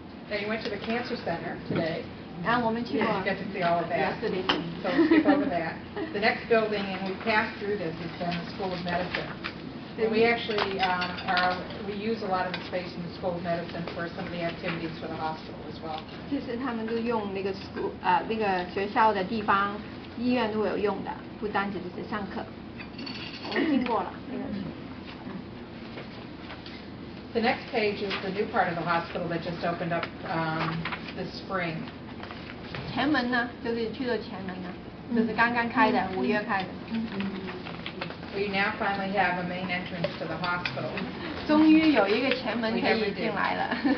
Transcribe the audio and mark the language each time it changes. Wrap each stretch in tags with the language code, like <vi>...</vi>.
<en>Now you went to the cancer center today.</en> <zh>我们去过。</zh> <en>You get to see all of that. Yesterday. So we'll skip over that. The next building, and we passed through this, is the School of Medicine. And we actually we use a lot of the space in the School of Medicine for some of the activities for the hospital as well.</en> <zh>就是他们都用那个 school 那个学校的地方，医院都有用的，不单只是上课。我们听过了。</zh> <en>The next page is the new part of the hospital that just opened up this spring.</en> <zh>前门呢，就是去了前门呢，就是刚刚开的，五月开的。</zh> <en>We now finally have a main entrance to the hospital.</en> <zh>终于有一个前门可以进来了。</zh>